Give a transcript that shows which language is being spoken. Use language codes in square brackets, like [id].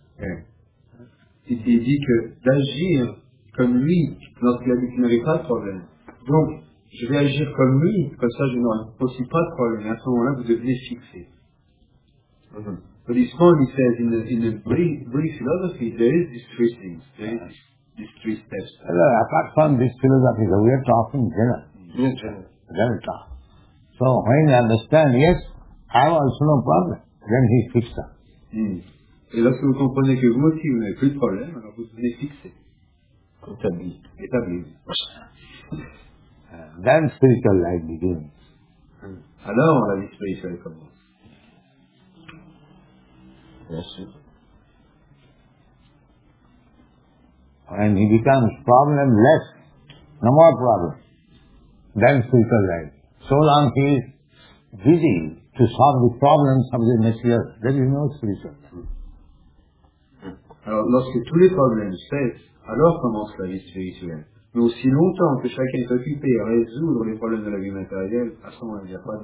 [en] Okay. [fr] Il s'est dit que d'agir comme lui, lorsqu'il a dit qu'il n'avait pas de problème. Donc, je vais agir comme lui, comme ça je n'aurai aussi pas de problème. Et à ce moment-là, vous devenez fixé. [en] But it's funny, he says, in the Buddhist philosophy, there is these three things. There is these three steps. Well, apart from this philosophy, so we are talking general. General talk. So when you understand, yes, I also no problem, then he's fixed up. [fr] Et lorsque vous comprenez que vous aussi, vous n'avez plus de problème, alors vous devenez fixé. Établi. [en] Then spiritual life begins. [fr] Alors la vie spirituelle commence. [en] Yes. And he becomes problemless, no more problem, then spiritual life. So long he is busy to solve the problems of the material, there is no spiritual life. [fr] Alors, lorsque tous les problèmes cessent, alors commence la vie spirituelle. Mais aussi longtemps que chacun est occupé à résoudre les problèmes de la vie matérielle, à ce moment-là, il n'y a pas de